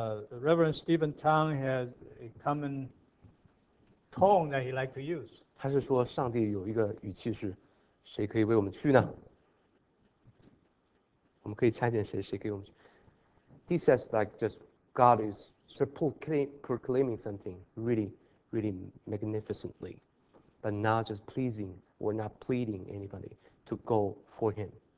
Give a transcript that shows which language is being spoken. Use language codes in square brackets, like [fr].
[en] Reverend Stephen Tong has a common tone that he likes to use. [zh] 他是说上帝有一个语气是，谁可以为我们去呢？我们可以差遣谁，谁给我们去？ [en] He says like just God is proclaiming something really, really magnificently, but not just pleasing or not pleading anybody to go for him.